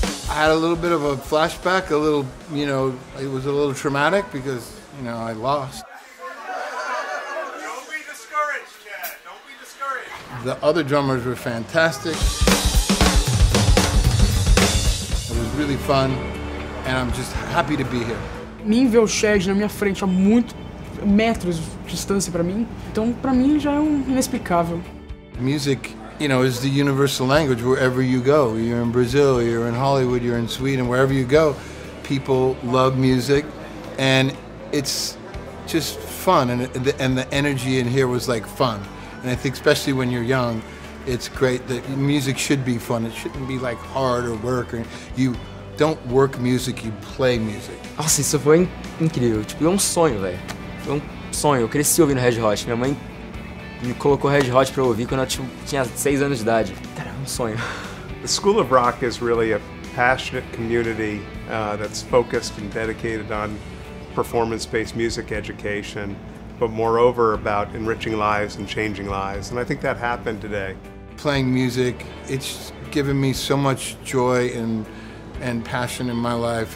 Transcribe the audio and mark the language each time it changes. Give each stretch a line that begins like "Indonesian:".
English: I had a little bit of a flashback, a little, you know, it was a little traumatic because, you know, I lost. Don't be discouraged, Chad. Don't be discouraged. The other drummers were fantastic. It was really fun, and I'm just happy to be here.
Portuguese: Me ver o Chad na minha frente há muito metros de distância para mim, então para mim já é inexplicável.
English: Music, you know, is the universal language wherever you go. You're in Brazil, you're in Hollywood, you're in Sweden, wherever you go, people love music, and it's just fun, and the energy in here was like fun. And I think especially when you're young, it's great that music should be fun. It shouldn't be like hard or work. Or you don't work music, you play music.
Portuguese: Nossa, isso foi incrível. Tipo, foi um sonho, velho. Foi um sonho. Eu cresci ouvindo Red Hot. Minha mãe me colocou Red Hot pra ouvir quando eu tinha 6 anos de idade. Era um sonho.
English: The School of Rock is really a passionate community that's focused and dedicated on performance-based music education, but moreover about enriching lives and changing lives. And I think that happened today. Playing music, it's given me so much joy and passion in my life.